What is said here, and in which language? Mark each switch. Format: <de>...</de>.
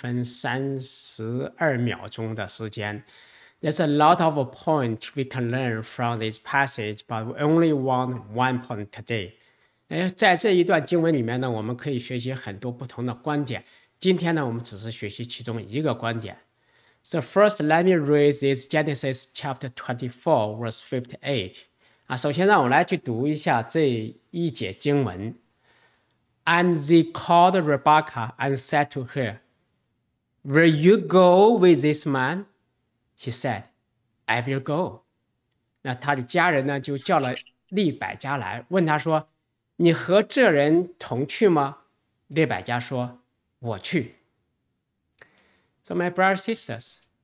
<zh>那这是一个非常长的一段经文啊，总共花费了是11分32秒钟的时间。</zh> <en>There's a lot of points we can learn from this passage, but we only want one point today.</en> <zh>在这一段经文里面呢，我们可以学习很多不同的观点。今天呢，我们只是学习其中一个观点。</zh> <en>So first, let me read this Genesis chapter 24, verse 58.</en> <zh>首先让我来去读一下这一节经文。</zh> <en>And they called Rebekah and said to her, "Will you go with this man?" She said, "I will go."</en> <zh>那她的家人呢就叫了利百加来，问她说，你和这人同去吗？利百加说，我去。</zh> <en>So my brothers and sisters,</en>